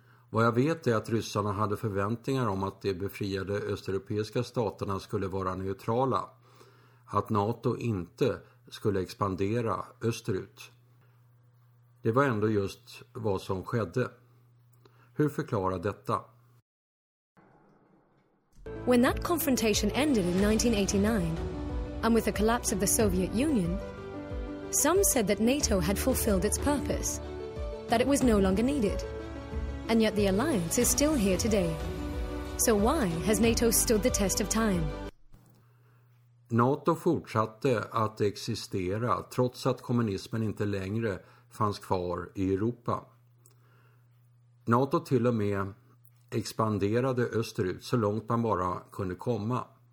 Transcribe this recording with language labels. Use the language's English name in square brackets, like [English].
[Swedish] Vad jag vet är att ryssarna hade förväntningar om att de befriade östeuropeiska staterna skulle vara neutrala. Att NATO inte skulle expandera österut. Det var ändå just vad som skedde. Hur förklarar detta? [English] When that confrontation ended in 1989, and with the collapse of the Soviet Union, some said that NATO had fulfilled its purpose, that it was no longer needed. And yet the alliance is still here today. So why has NATO stood the test of time? [Swedish] NATO fortsatte att existera trots att kommunismen inte längre fanns kvar i Europa. NATO till och med expanderade österut så långt man bara kunde komma.